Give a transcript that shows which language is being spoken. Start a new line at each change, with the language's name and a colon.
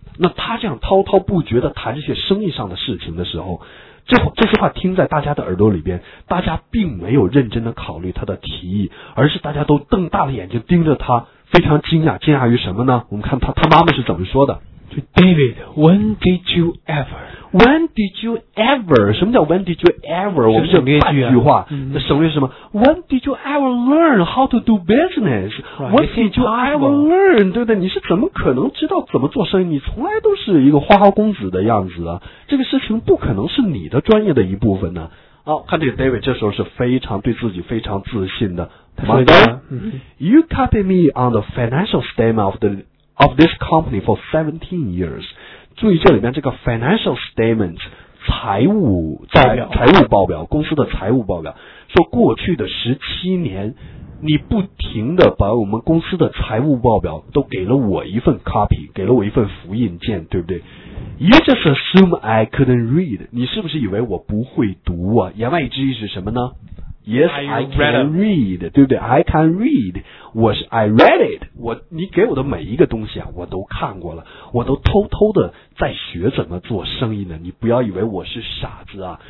Chinese: 那他这样滔滔不绝的谈这些生意上的事情的时候，这句话听在大家的耳朵里边，大家并没有认真的考虑他的提议，而是大家都瞪大了眼睛盯着他，非常惊讶。惊讶于什么呢？我们看他妈妈是怎么说的。
English: David, when did you ever? When did you ever?
Chinese: 什么叫
English: when did you ever?
Chinese: 我们省略句、啊、半句话、嗯、省略什么？
English: When did you ever learn how to do business? When did you ever learn?
Chinese: 对不对？你是怎么可能知道怎么做生意？你从来都是一个花花公子的样子啊，这个事情不可能是你的专业的一部分呢、啊。好、哦、看这个 David 这时候是非常对自己非常自信的。
English: Mother,、
Chinese: 嗯、
English: you copy me on the financial statement of this company for 17 years.
Chinese: 注意这里面这个 financial statement, 财务报表，公司的财务报表。说过去的17年你不停的把我们公司的财务报表都给了我一份 copy, 给了我一份复印件，对不对？
English: You just assume I couldn't read.
Chinese: 你是不是以为我不会读啊？言外之意是什么呢？
English: Yes, I can read.
Chinese: 对不对？
English: I can read. I read it.
Chinese: 你给我的每一个东西啊，我都看过了。我都偷偷的在学怎么做生意呢。你不要以为我是傻子啊。